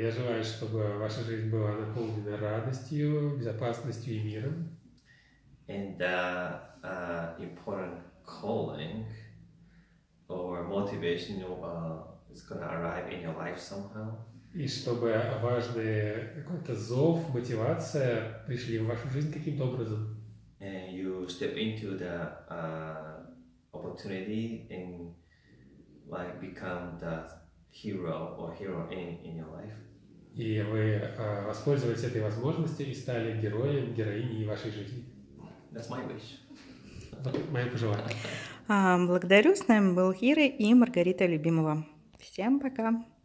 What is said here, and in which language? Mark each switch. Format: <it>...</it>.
<ru>Я желаю, чтобы ваша жизнь была наполнена радостью, безопасностью и миром.</ru> <en>And important calling or motivation is gonna arrive in your life somehow.</en> <ru>И чтобы важный какой-то зов, мотивация пришли в вашу жизнь каким-то образом.</ru> <en>And you step into the opportunity and like become the hero or heroine in your life.</en> <ru>И вы воспользовались этой возможностью и стали героем, героиней вашей жизни.</ru> <en>That's my wish.</en> <ru>Мое пожелание. Благодарю. С нами был Хиры и Маргарита Любимова. Всем пока.</ru>